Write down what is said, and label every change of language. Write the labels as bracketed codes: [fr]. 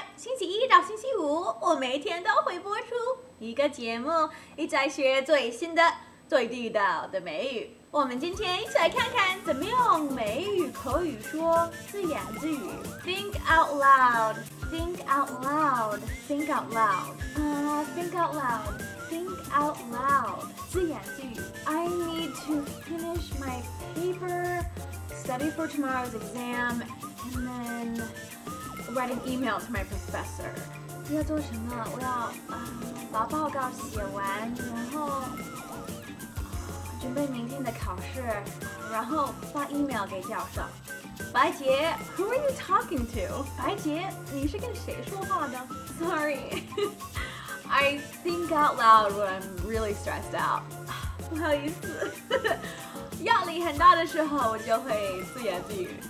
[zh] 星期一到星期五，我每天都会播出一个节目，一起来学最新的、最地道的美语。我们今天一起来看看怎么用美语口语说自言自语。 [en] Think out loud, think out loud, think out loud. Think out loud, think out loud. [zh] 自言自语。 [en] I need to finish my paper. Study for tomorrow's exam, and then write an email to my professor. [zh] 要做什么？我要把报告写完，然后准备明天的考试，然后发 email 给教授。 [en] 白洁 ，Who are you talking to? [zh] 白洁，你是跟谁说话的 [en] ？Sorry, I think out loud when I'm really stressed out. [zh] 不好意思。压力很大的时候，我就会自言自语